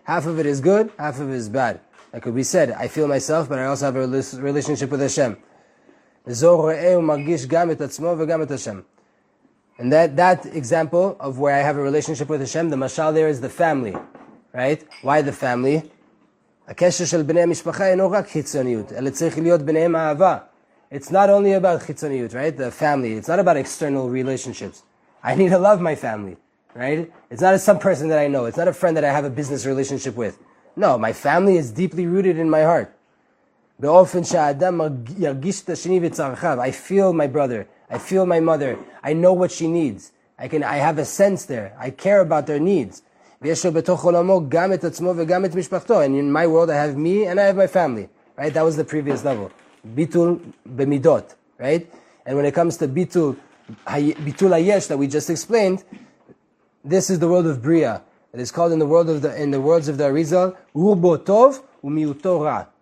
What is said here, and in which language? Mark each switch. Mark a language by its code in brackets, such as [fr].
[en] Half of it is good, half of it is bad. Like we said, I feel myself, but I also have a relationship with Hashem. [he] Zo re'e u'margish gam et atzmo v'gam et Hashem. [en] And that example of where I have a relationship with Hashem, the mashal there is the family, right? Why the family? [he] הקשר של בני המשפחה אינו רק חיצוניות, אלא צריך להיות ביניהם אהבה. [en] It's not only about חיצוניות, right? The family. It's not about external relationships. I need to love my family, right? It's not some person that I know. It's not a friend that I have a business relationship with. No, my family is deeply rooted in my heart. [he] באופן שהאדם ירגיש את השני וצרכיו. [en] I feel my brother. I feel my mother. I know what she needs. I have a sense there. I care about their needs. [he] ויש לו בתוך עולמו גם את עצמו וגם את משפחתו. [en] And in my world I have me and I have my family. Right? That was the previous level. ביטול במידות. Right? And when it comes to ביטול היש that we just explained, this is the world of Bria. It is called in the worlds of the Arizal, [he] רובו טוב ומיעוטו רע.